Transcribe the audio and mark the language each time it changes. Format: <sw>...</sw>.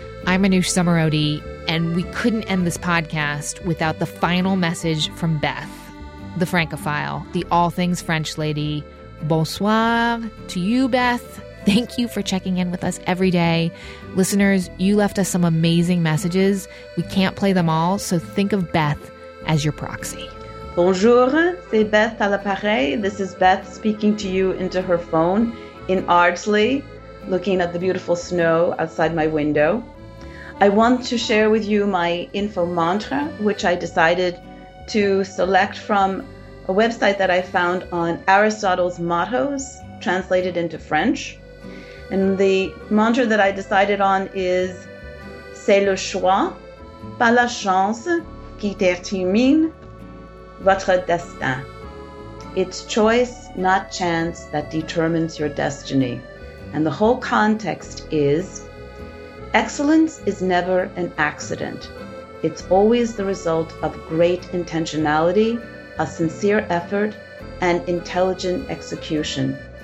<en>I'm Anoush Samarodi, and we couldn't end this podcast without the final message from Beth, the Francophile, the all things French lady. Bonsoir to you, Beth. Thank you for checking in with us every day. Listeners, you left us some amazing messages. We can't play them all, so think of Beth as your proxy.</en> <fr>Bonjour, c'est Beth à l'appareil.</fr> <en>This is Beth speaking to you into her phone in Ardsley, looking at the beautiful snow outside my window. I want to share with you my info mantra, which I decided to select from a website that I found on Aristotle's mottos, translated into French. And the mantra that I decided on is,</en> <fr>c'est le choix, pas la chance, qui détermine votre destin.</fr> <en>It's choice, not chance, that determines your destiny. And the whole context is, excellence is never an accident. It's always the result of great intentionality, a sincere effort, and intelligent execution.</en>